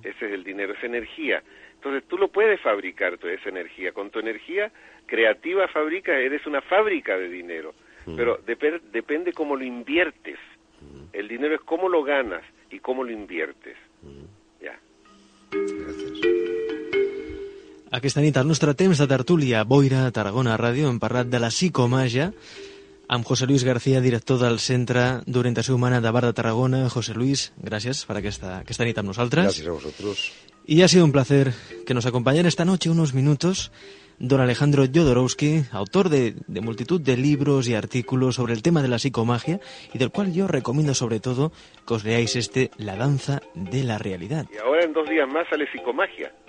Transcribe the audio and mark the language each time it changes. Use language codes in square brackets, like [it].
[es] Ese es el dinero, es energía. Entonces tú lo puedes fabricar, toda esa energía. Con tu energía creativa fabrica, eres una fábrica de dinero. Pero depende cómo lo inviertes. El dinero es cómo lo ganas y cómo lo inviertes. Ya. Gracias. [ca] Aquesta nit, el nostre temps de tertúlia, Boira, Tarragona Ràdio, hem parlat de la psicomàgia amb José Luis García, director del Centre d'Orientació Humana de Bar de Tarragona. José Luis, gràcies per aquesta nit amb nosaltres. Gràcies a vosaltres. [es] I ha sido un placer que nos acompañen esta noche unos minutos don Alejandro Jodorowsky, autor de multitud de libros y artículos sobre el tema de la psicomagia, y del cual yo recomiendo sobre todo que os leáis este, La danza de la realidad. Y ahora en dos días más sale Psicomagia.